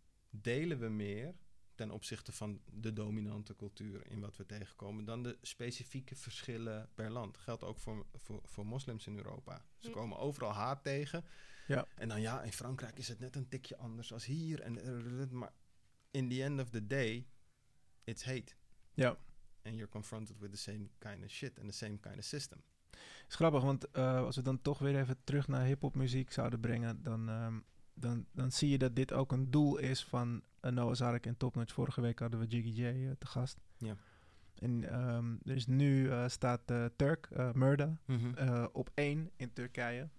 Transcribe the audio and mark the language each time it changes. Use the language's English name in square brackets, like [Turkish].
[Dutch] Delen we meer ten opzichte van de dominante cultuur in wat we tegenkomen, dan de specifieke verschillen per land. Geldt ook voor moslims in Europa. Ze komen overal haat tegen. Ja. En dan ja, in Frankrijk is het net een tikje anders als hier. Maar [English] in the end of the day, it's hate. [Dutch] Ja. [English] And you're confronted with the same kind of shit and the same kind of system. [Dutch] Het is grappig, want als we dan toch weer even terug naar hip-hop muziek zouden brengen, dan zie je dat dit ook een doel is van Noah's Ark en Top Notch. Vorige week hadden we Jiggy J te gast. Ja. En dus nu staat Turk, Murda, op 1 in Turkije.